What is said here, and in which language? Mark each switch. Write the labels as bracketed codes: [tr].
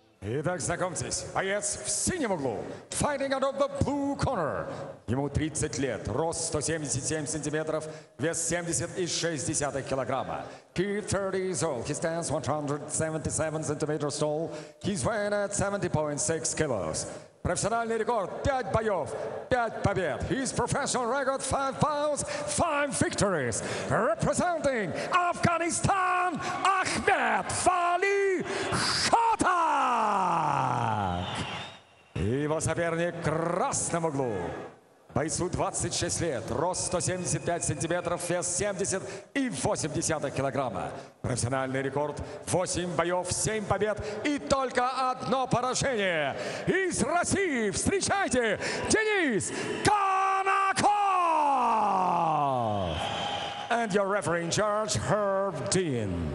[ru] Итак, знакомьтесь, боец в синем углу. [en] Fighting out of the blue corner. [ru] Ему 30 лет, рост 177 сантиметров, вес 70,6 килограмма. [en] He 30 years old, he stands 177 centimeters tall, he's weighing at 70.6 kilos. [ru] Профессиональный рекорд 5 боев, 5 побед. [en] His professional record 5 bouts, 5 victories. Representing Afghanistan, Ahmed Fali Khatak. [ru] Его соперник в красном углу. Бойцу 26 лет, рост 175 сантиметров, вес 70,8 килограмма. Профессиональный рекорд 8 боев, 7 побед и только одно поражение. Из России встречайте Денис Конаков! [en] And your referee in charge, Herb Dean.